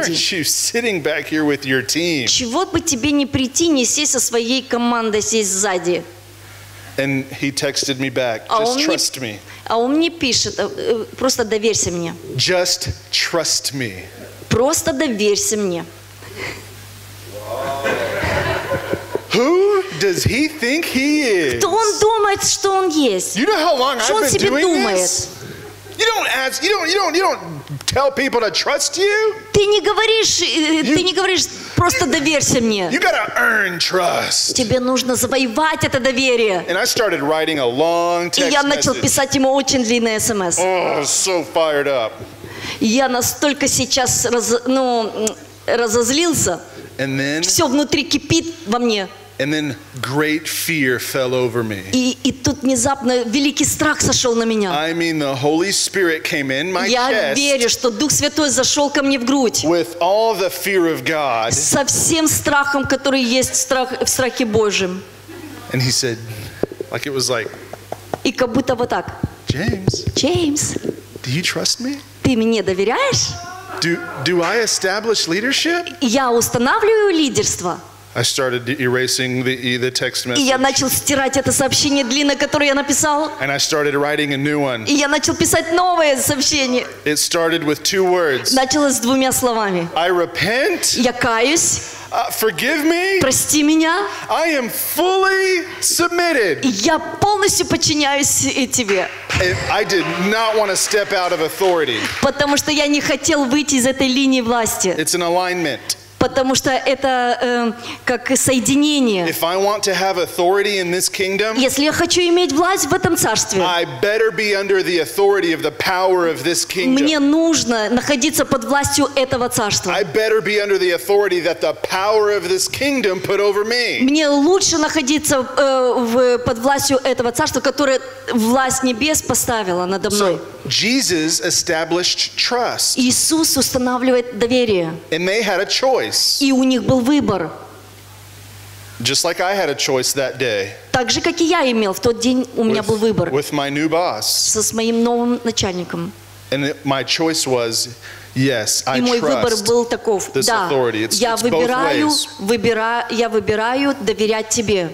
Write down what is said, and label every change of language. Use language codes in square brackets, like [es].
[en] Why aren't you sitting back here with your team? [ru] Чего бы тебе не прийти, не сесть со своей командой, сесть сзади? [en] And he texted me back, just trust me. [ru] А он мне пишет, просто доверься мне. [en] Just trust me. [ru] Просто доверься мне. [en] Who does he think he is? [ru] Кто он думает, что он есть? [en] You know how long [ru] что [en] I've been doing [ru] думает? [en] This? You don't tell people to trust you? [ru] Ты не говоришь просто доверься мне. [en] You gotta earn trust. [ru] Тебе нужно завоевать это доверие. [en] And I started writing a long text. [ru] И я начал писать ему очень длинное смс. [en] Oh, so fired up. [ru] Я настолько сейчас разозлился. [en] And then, [ru] все внутри кипит во мне. [en] And then great fear fell over me. [ru] И тут внезапно великий страх сошел на меня. [en] I mean, the Holy Spirit came in my chest. [ru] Я верю, что Дух Святой зашел ко мне в грудь. [en] With all the fear of God. [ru] Со всем страхом, который есть в страхе Божьем. [en] And he said, like it was like. [ru] И как будто вот так. [en] James. Do you trust me? [ru] Ты мне доверяешь? [en] Do I establish leadership? [ru] Я устанавливаю лидерство. [en] I started erasing the text message. [ru] И я начал стирать это сообщение длинное, которое я написал. [en] And I started writing a new one. [ru] И я начал писать новое сообщение. [en] It started with two words. [ru] Началось с двумя словами. [en] I repent. [ru] Я каюсь. [en] Forgive me. [ru] Прости меня. [en] I am fully submitted. [ru] Я полностью подчиняюсь тебе. [en] I did not want to step out of authority. [ru] Потому что я не хотел выйти из этой линии власти. [en] It's an alignment. [ru] потому что это как соединение. [en] If I want to have authority in this kingdom, [ru] если я хочу иметь власть в этом царстве, [en] I better be under the authority of the power of this kingdom. [ru] Мне нужно находиться под властью этого царства. [en] I better be under the authority that the power of this kingdom put over me. [ru] Мне лучше находиться под властью этого царства, которое власть небес поставила надо мной. [en] So Jesus established trust. [ru] Иисус устанавливает доверие. [en] And they had a choice. [ru] И у них был выбор. [en] Just like I had a choice that day. [ru] Так же, как и я имел, в тот день у меня был выбор. [en] With my new boss. [ru] Со своим новым начальником. [en] And my choice was, yes, I trust. [ru] И мой выбор был таков. [en] This authority. It's both ways. [ru] Я выбираю доверять тебе.